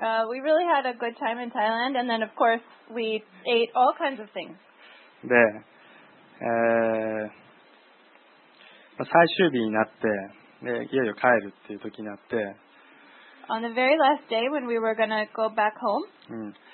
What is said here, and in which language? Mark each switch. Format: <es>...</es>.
<en>we really had a good time in Thailand, and then of course we ate all kinds of things.</en> <ja>で、最終日になって、で、いよいよ帰るっていう時になって。</ja> <en>On the very last day when we were gonna go back home.</en>